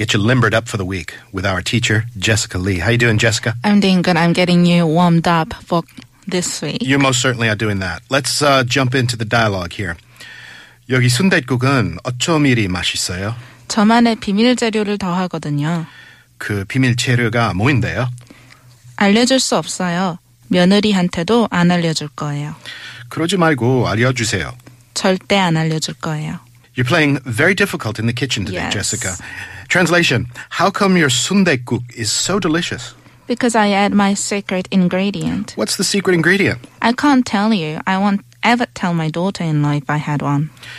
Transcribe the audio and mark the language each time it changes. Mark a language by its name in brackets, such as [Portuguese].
[English] Get you limbered up for the week with our teacher, Jessica Lee. How you doing, Jessica? I'm doing good. I'm getting you warmed up for this week. You most certainly are doing that. Let's jump into the dialogue here. [Korean] 여기 순댓국은 어쩜 이리 맛있어요? 저만의 비밀 재료를 더하거든요. 그 비밀 재료가 뭐인데요? 알려줄 수 없어요. 며느리한테도 안 알려줄 거예요. 그러지 말고 알려주세요. 절대 안 알려줄 거예요. [English] You're playing very difficult in the kitchen today, yes. Jessica. Translation, how come your 순댓국 is so delicious? Because I add my secret ingredient. What's the secret ingredient? I can't tell you. I won't ever tell my daughter-in-law if I had one.